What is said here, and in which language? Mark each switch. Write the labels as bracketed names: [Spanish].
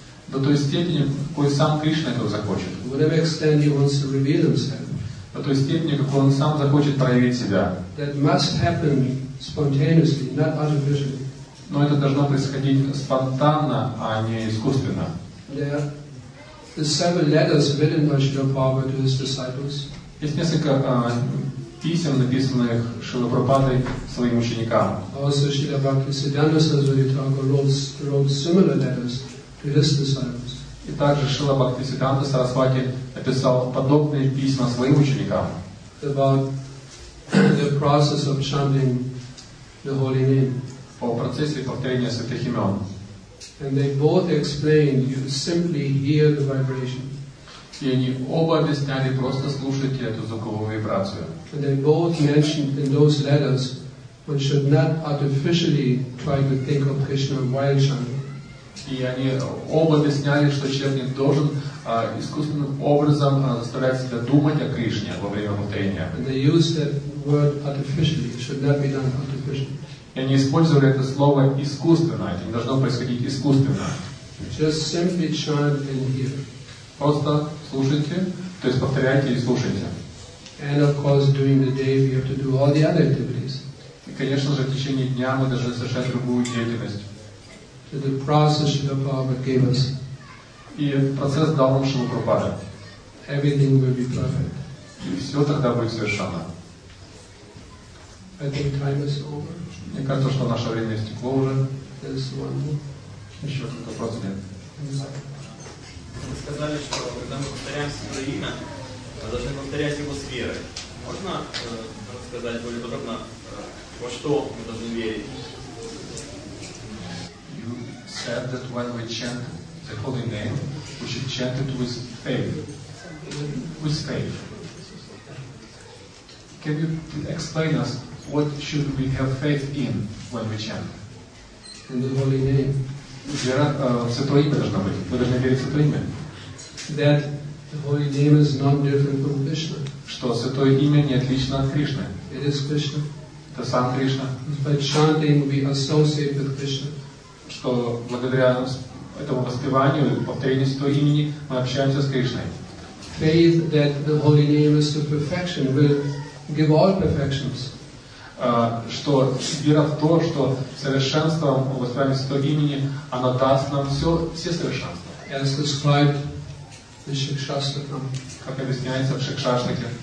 [Russian] До той степени, в какой сам Кришна этого захочет. [English] Whatever extent he wants to reveal himself. [Russian] До той степени, в какой он сам захочет проявить себя. [English] That must happen spontaneously, not artificially. [Russian] Но это должно происходить спонтанно, а не искусственно. [English] The seven letters written by Srila Prabhupada to his disciples. [Russian] Есть несколько писем, написанных Шрила Прабхупадой своим ученикам. [English] Also Srila Bhaktisiddhanta Saraswati Thakur wrote similar letters to his disciples. [Russian] И также Шрила Бхактисиддханта Сарасвати написал подобные письма своим ученикам. [English] About the process of chanting the holy name. [Russian] По процессе повторения святых имен. [English] And they both explained, you simply hear the vibration. [Russian] И они оба объясняли, просто слушайте эту звуковую вибрацию. [English] And they both mentioned in those letters, one should not artificially try to think of Krishna while chanting. [Russian] И они оба объясняли, что человек не должен искусственным образом заставлять себя думать о Кришне во время повторения. [English] And they used that word artificially, it should not be done artificially. [Russian] И они использовали это слово искусственно, это не должно происходить искусственно. [English] Just simply chant and hear. [Russian] Просто слушайте, то есть повторяйте и слушайте. [English] And of course, during the day we have to do all the other activities. [Russian] И, конечно же, в течение дня мы должны совершать другую деятельность. [English] So the process Śrīla Prabhupāda gave us. [Russian] И процесс дал нам Śrīla Prabhupāda. [English] Everything will be perfect. [Russian] И все тогда будет совершено. [English] I think time is over. [Russian] Мне кажется, что наше время истекло уже. [English] There's one more. [Russian] Еще один вопрос. Вы сказали, что когда мы повторяем свое имя, мы должны повторять его с верой. Можно рассказать более подробно, во что мы должны верить? [English] Said that when we chant the holy name, we should chant it with faith. With faith. Can you explain us what should we have faith in when we chant? In the holy name. [Russian] Вера в святое имя должна быть. Мы должны верить в святое имя. [English] That the holy name is not different from Krishna. [Russian] Что святое имя не отлично от Кришны. [English] It is Krishna. [Russian] Это сам Кришна. [English] By chanting we associate with Krishna. [Russian] Что благодаря этому воспеванию, повторению святого имени, мы общаемся с Кришной. [English] Faith that the holy name is to perfection will give all perfections. [Russian] Что вера в то, что совершенство воспевания святого имени, оно даст нам все совершенства. [English] As described in Шикшастакам. [Russian] Как объясняется в Шикшастаке.